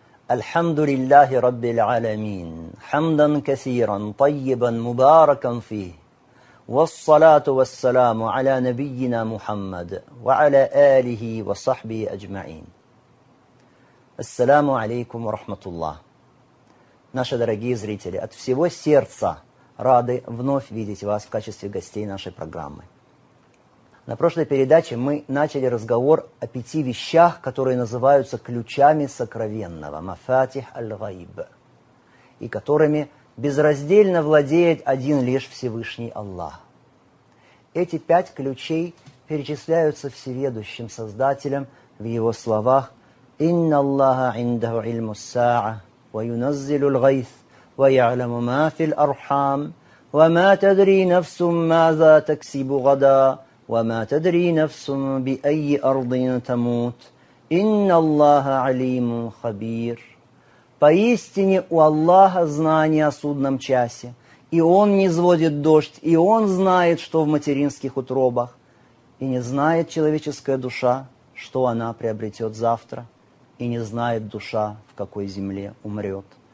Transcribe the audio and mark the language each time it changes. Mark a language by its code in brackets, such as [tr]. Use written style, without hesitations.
[ar] الحمد لله رب العالمين، حمدا كثيرا طيبا مباركا فيه، والصلاة والسلام على نبينا محمد وعلى آله وصحبه أجمعين. السلام عليكم ورحمة الله. [ru] Наши дорогие зрители, от всего сердца рады вновь видеть вас в качестве гостей нашей программы. На прошлой передаче мы начали разговор о пяти вещах, которые называются ключами сокровенного, мафатих аль-гайб, и которыми безраздельно владеет один лишь Всевышний Аллах. Эти пять ключей перечисляются Всеведущим Создателем в его словах: [ar] «Инна Аллаха индаху ильму ссаа, ва юназзилю л-гайс, ва яляму ма филь архам, ва ма тадри нафсум маза таксибу гада». وما تدري نفس بأي أرض تموت إن الله عليم خبير. [ru] Поистине у Аллаха знание о судном часе, и Он низводит дождь, и Он знает, что в материнских утробах, и не знает человеческая душа, что она приобретет завтра, и не знает душа, в какой земле умрет.